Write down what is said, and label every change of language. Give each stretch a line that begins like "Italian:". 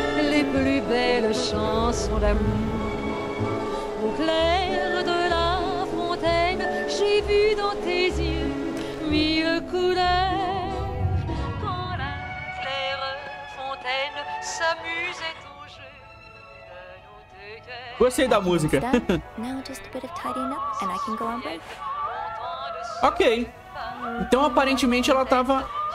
French: Les plus belles chansons d'amour. Au clair de la fontaine, j'ai vu dans tes yeux mille couleurs. Quand la claire fontaine s'amusait au jeu de nos deux cœurs.
Portuguese: Gostei da música.
English: Now just a bit of tidying up and I can go on break. Ok.
Portuguese: Então aparentemente ela tava...